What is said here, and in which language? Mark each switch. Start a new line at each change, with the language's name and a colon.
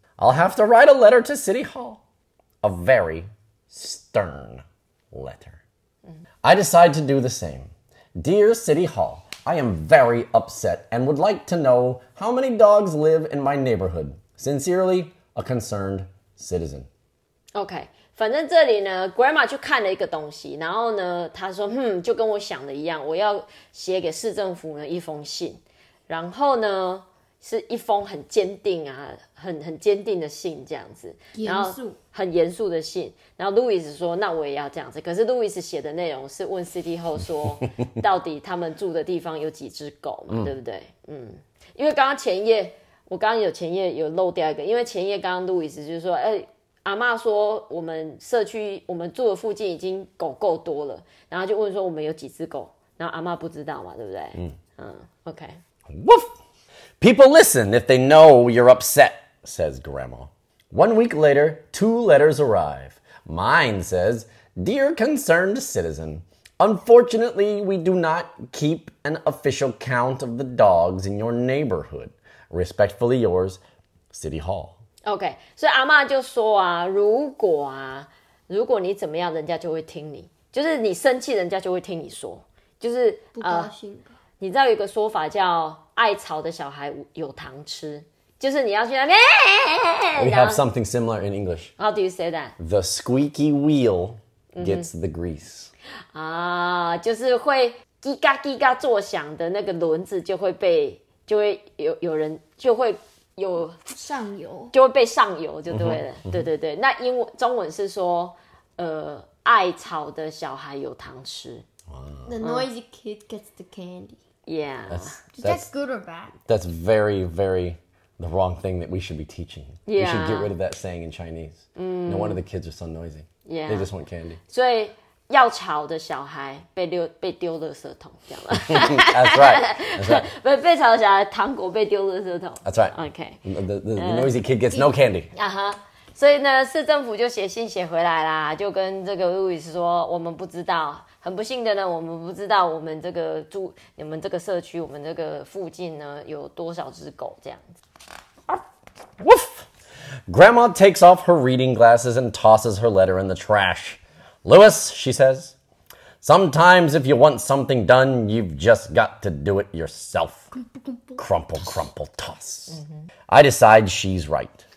English: I'll have to write a letter to City Hall. A very stern letter. I decide to do the same. Dear City Hall, I am very upset and would like to know how many dogs live in my neighborhood. Sincerely, a concerned citizen. Okay.
Chinese: 反正这里呢 ，Grandma 去看了一个东西，然后呢，她说：“就跟我想的一样，我要写给市政府呢一封信，然后呢，是一封很坚定啊，很坚定的信，这样子，严肃，很严肃的信。” 然后 Louis 说：“那我也要这样子。”可是 Louis 写的内容是问 City Hall 说，到底他们住的地方有几只狗嘛？对不对？因为刚刚前一页，我刚刚有前一页有漏掉一个，因为前一页刚刚 Louis 就是说：“哎。” 阿嬷说我们社区我们住的附近已经狗够多了，然后就问说我们有几只狗，然后阿嬷不知道嘛，对不对？
English: OK. Woof! People listen if they know you're upset, says Grandma. 1 week later, two letters arrive. Mine says, Dear concerned citizen, unfortunately we do not keep an official count of the dogs in your neighborhood. Respectfully yours, City Hall.
Chinese: OK, 所以阿嬷就说啊，如果啊，如果你怎么样，人家就会听你，就是你生气，人家就会听你说，就是不高兴。你知道有一个说法叫爱吵的小孩有糖吃，就是你要去那边。
English: We have something similar in English. How do you say that? The squeaky wheel gets the grease.
Chinese: 啊，就是会叽嘎叽嘎作响的那个轮子就会被，就会有人就会有上油，就会被上油就对了。Mm-hmm. 对对对，那英文中文是说，爱吵的小孩有糖吃。
English: The noisy kid gets the candy. Yeah. That's good or bad? That's very, very the wrong thing that we should be teaching. Yeah. We should get rid of that saying in Chinese. No wonder the kids are so noisy. Yeah. They just want candy.
Chinese: 所以要吵的小孩被丢垃圾桶这样
English: 了。That's right. That's right.
Chinese: 被吵的小孩糖果被丢垃圾桶。
English: That's right. Okay. The noisy kid gets no candy. Uh-huh.
Chinese: 所以呢，市政府就写信写回来啦，就跟这个 Louis 说，我们不知道，很不幸的呢，我们不知道我们这个住，你们这个社区，我们这个附近呢，有多少只狗这样子。
English: Woof! Grandma takes off her reading glasses and tosses her letter in the trash. Louis, she says, sometimes if you want something done, you've just got to do it yourself. Crumple, crumple, toss. I decide she's right.